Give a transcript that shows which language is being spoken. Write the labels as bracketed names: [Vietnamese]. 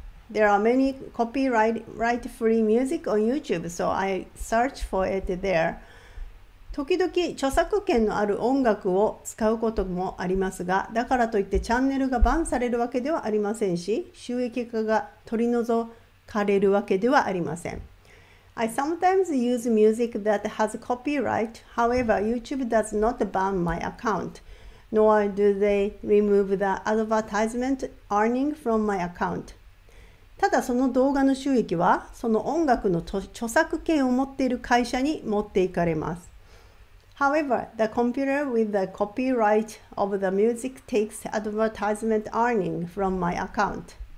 [English] There are many copyright free music on YouTube, so I search for it there. [Japanese] 時々著作権のある音楽を使うこともありますが、だからといってチャンネルがバンされるわけではありませんし、収益化が取り除かれるわけではありません。 [English] I sometimes use music that has copyright. However, YouTube does not ban my account, nor do they remove the advertisement earning from my account. [Japanese] ただその動画の収益は、その音楽の著作権を持っている会社に持っていかれます。 [English] However, the computer with the copyright of the music takes advertisement earning from my account.